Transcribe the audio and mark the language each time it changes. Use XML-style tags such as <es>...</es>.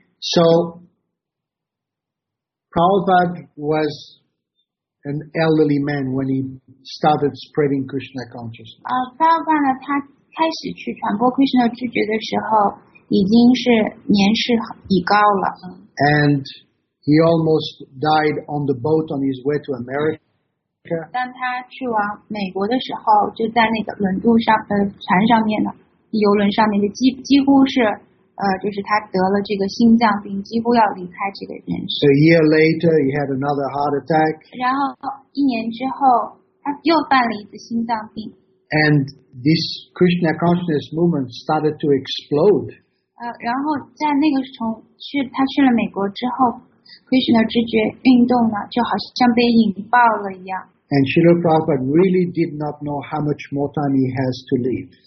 <en>So, Prabhupada was an elderly man when he started spreading Krishna consciousness.</en> <zh>Prabhupada 呢他开始去传播 Krishna 知觉的时候已经是年事已高了。</zh> <en>And he almost died on the boat on his way to America.</en> <zh>当他去往美国的时候，就在那个轮渡上，船上面呢，游轮上面就几乎是，就是他得了这个心脏病，几乎要离开这个人世。</zh> <en>A year later, he had another heart attack.</en> <zh>然后一年之后，他又犯了一次心脏病。</zh> <en>And this Krishna consciousness movement started to explode.</en> <zh>然后在那个从去他去了美国之后 Krishna 知觉运动呢就好像被引爆了一样。</zh> <en>And Srila Prabhupada really did not know how much more time he has to live.</en>